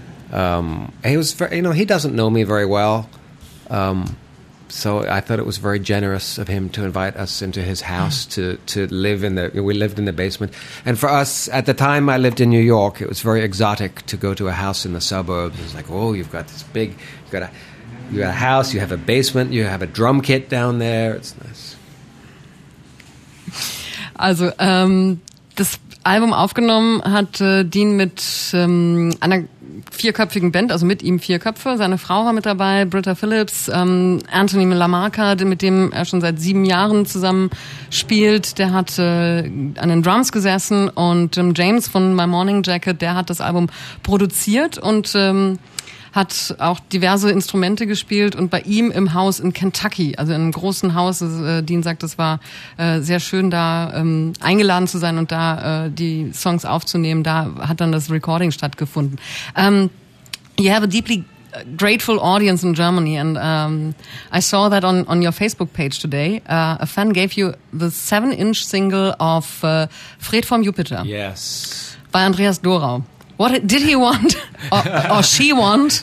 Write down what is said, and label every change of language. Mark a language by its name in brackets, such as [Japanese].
[English] He was, you know, he doesn't know me very well. So I thought it was very generous of him to invite us into his house to live in the... We lived in the basement. And for us, at the time I lived in New York, it was very exotic to go to a house in the suburbs. It was like, oh, you've got this big... You got a house, you have a basement, you have a drum kit down there. It's nice. [German] Also, das Album aufgenommen hat Dean mit einer vierköpfigen Band, also mit ihm vier Köpfe. Seine Frau war mit dabei, Britta Phillips, Anthony LaMarca, mit dem er schon seit 7 Jahren zusammen spielt. Der hat an den Drums gesessen und Jim James von My Morning Jacket, der hat das Album produziert und hat auch diverse Instrumente gespielt und bei ihm im Haus in Kentucky, also in einem großen Haus, Dean sagt, es war sehr schön, da eingeladen zu sein und da die Songs aufzunehmen, da hat dann das Recording stattgefunden. [English] You have a deeply grateful audience in Germany and I saw that on your Facebook page today. A fan gave you the 7-inch single of Fred vom Jupiter. Yes. By Andreas Dorau. What did he want, or she want?